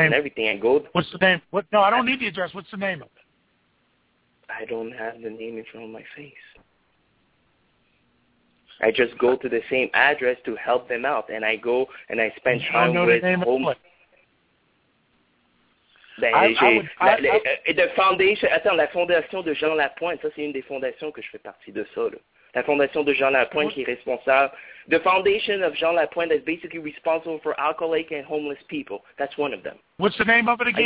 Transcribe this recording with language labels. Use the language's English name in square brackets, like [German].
[English] and everything. I go. What's the name? What? No, I don't need the address. What's the name of it? I don't have the name in front of my face. I just go to the same address to help them out, and I go and I spend time with homeless. [French] La Fondation de Jean Lapointe, ça c'est une des fondations que je fais partie de ça. Là. La Fondation de Jean Lapointe qui est responsable. [English] The Foundation of Jean Lapointe that's basically responsible for alcoholic and homeless people. That's one of them. What's the name of it again?